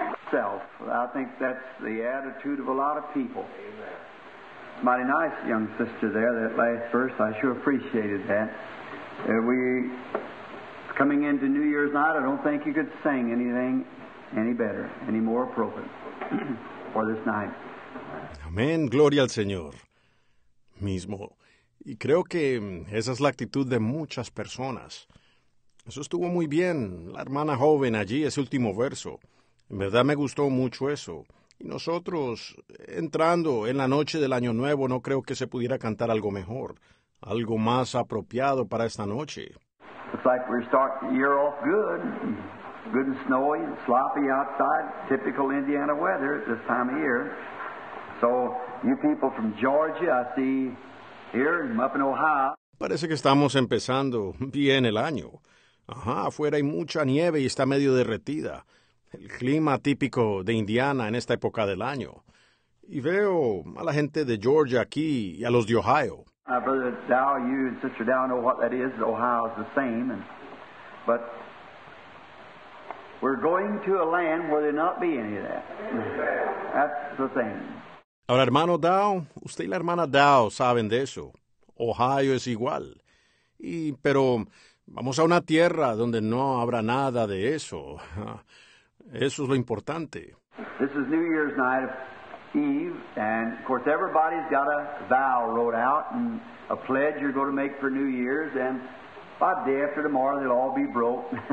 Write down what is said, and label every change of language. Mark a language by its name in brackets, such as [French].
[English] Self, I think that's the attitude of a lot of people. Mighty nice young sister there, that last verse. I sure appreciated that. We coming into New Year's night, I don't think you could sing anything any better, any more appropriate for this night. [Spanish] Amén, gloria al Señor mismo. Y creo que esa es la actitud de muchas personas. Eso estuvo muy bien, la hermana joven allí, ese último verso. En verdad me gustó mucho eso. Y nosotros, entrando en la noche del Año Nuevo, no creo que se pudiera cantar algo mejor, algo más apropiado para esta noche. [English] Looks like we're starting the year off good. Good and snowy and sloppy outside, typical Indiana weather at this time of year. So, you people from Georgia, I see here, I'm up in Ohio. [Spanish] Parece que estamos empezando bien el año. Ajá, afuera hay mucha nieve y está medio derretida. El clima típico de Indiana en esta época del año. Y veo a la gente de Georgia aquí y a los de Ohio. [English] My brother Dow, you and Sister Dow know what that is. Ohio is the same. But we're going to a land where there not be any of that. That's the thing. [Spanish] Ahora, hermano Dow, usted y la hermana Dow saben de eso. Ohio es igual. Y, pero vamos a una tierra donde no habrá nada de eso. Eso es lo importante. [English] This is New Year's night of Eve, and of course everybody's got a vow wrote out and a pledge you're going to make for New Year's, and by the day after tomorrow they'll all be broke.